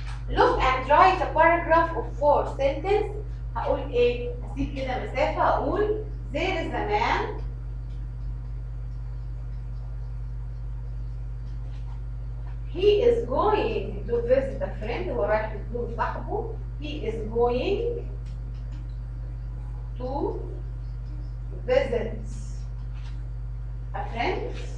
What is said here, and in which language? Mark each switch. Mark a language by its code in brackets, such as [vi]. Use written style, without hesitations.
[en] Look and write a paragraph of four sentences. [ar] هقول ايه؟ هسيب كده مسافة هقول [en] there is a man. He is going to visit a friend. [ar] هو رايح يزور صاحبه. He is going to visit a friend.